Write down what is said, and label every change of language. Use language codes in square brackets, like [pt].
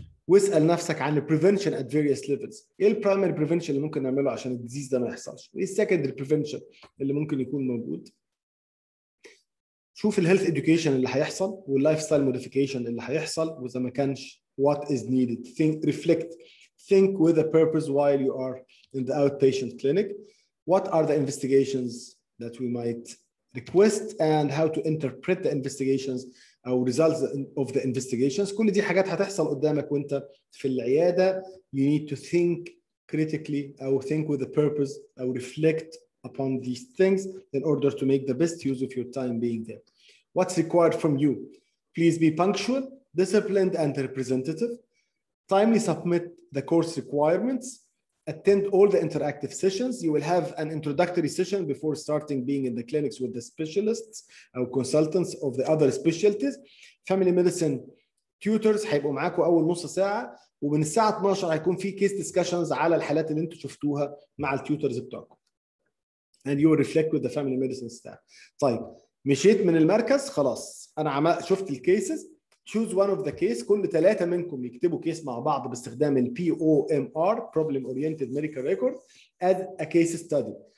[ar] واسال نفسك عن البريفنشن ات فيريوس ليفلز، ايه البرايمري بريفنشن اللي ممكن نعمله عشان الديزيز ده ما يحصلش، وايه السكندري بريفنشن اللي ممكن يكون موجود. شوف الهيلث اديوكيشن اللي هيحصل واللايف ستايل موديفيكيشن اللي هيحصل، واذا ما كانش [en] what is needed. Think, reflect, think with a purpose while you are in the outpatient clinic. What are the investigations that we might request and how to interpret the investigations or results of the investigations. [ar] كل دي حاجات هتحصل قدامك وانت في العيادة. [en] You need to think critically or think with a purpose or reflect upon these things in order to make the best use of your time being there. What's required from you? Please be punctual, disciplined and representative. Timely submit the course requirements. Attend all the interactive sessions. You will have an introductory session before starting being in the clinics with the specialists or consultants of the other specialties. Family medicine tutors [ar] هيبقوا معاكم أول نص ساعة، ومن الساعة 12 هيكون في [en] case discussions [ar] على الحالات اللي انتوا شفتوها مع التيوترز بتاعكم. [en] And you will reflect with the family medicine staff. [ar] طيب مشيت من المركز خلاص، أنا شفت الكيسز. [en] Choose one of the case. [ar] كل ثلاثة منكم يكتبوا case مع بعض باستخدام ال POMR Problem Oriented Medical Record [en] as a case study.